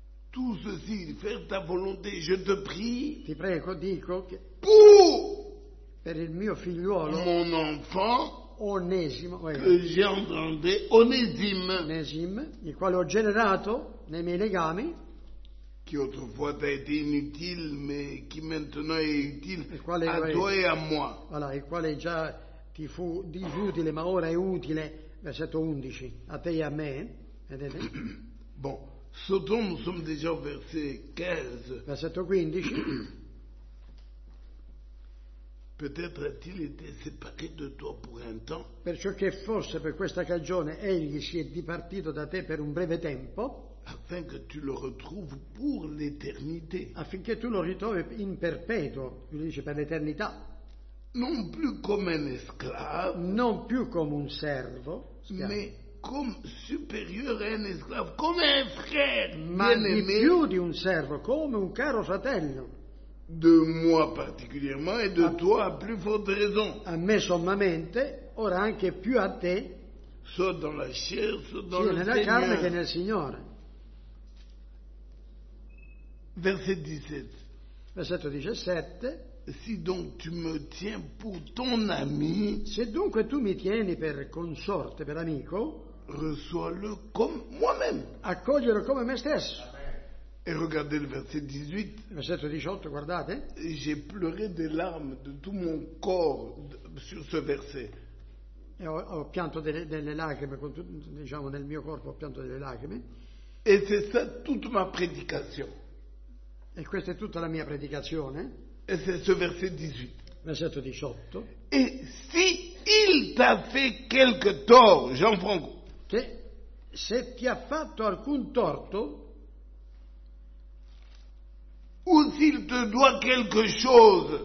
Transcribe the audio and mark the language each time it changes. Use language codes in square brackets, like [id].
[fr] Tout ceci, faire ta volonté, je te prie. [it] Ti prego, dico che. [fr] Pour. [it] Per il mio figliuolo. [fr] Mon enfant. [it] Onesimo. [fr] Ouais. Que j'ai engendré, Onésime. [it] Onésime, il quale ho generato. Nei miei legami, [fr] qui autrefois t'a été inutile, mais qui maintenant est utile [it] quale, [fr] a toi e a moi. [it] Voilà, il quale già ti fu disutile, ma ora è utile, versetto 11, a te e a me. Vedete? [fr] Bon, [it] sotto [fr] nous sommes déjà au verset 15. [it] Versetto 15. [fr] Peut-être a-t-il été séparé de toi pour un temps. [it] Perciò che forse per questa cagione egli si è dipartito da te per un breve tempo. [fr] Afin que tu le retrouves pour l'éternité. [it] Affinché tu lo ritrovi in perpetuo, lui dice per l'eternità. [fr] Non plus comme un esclave. [it] Non più come un servo. Schiavo. [fr] Mais comme supérieur à un esclave, comme un frère. [it] Ma di più di un servo, come un caro fratello. [fr] De moi particulièrement et de toi à plus forte raison. [it] A me sommamente, ora anche più a te. [fr] Soit dans la chair, soit dans [it] sia nella carne che nel Signore. [fr] Verset 17. [it] Versetto 17. [fr] Si donc tu me tiens pour ton ami. [it] Se dunque tu mi tieni per consorte, per amico. [fr] Reçois-le comme moi-même. [it] Accoglielo come me stesso. [fr] Et regardez le verset 18. [it] Versetto 18, guardate. [fr] J'ai pleuré des larmes de tout mon corps sur ce verset. [it] E ho pianto delle lacrime, diciamo nel mio corpo ho pianto delle lacrime. [fr] Et c'est ça toute ma prédication. [it] E questa è tutta la mia predicazione. E c'è ce verset 18. Versetto 18. [fr] E si il t'ha fait quelque tort, Jean-Franco. [it] Che se ti ha fatto alcun torto. [fr] O s'il te doit quelque chose.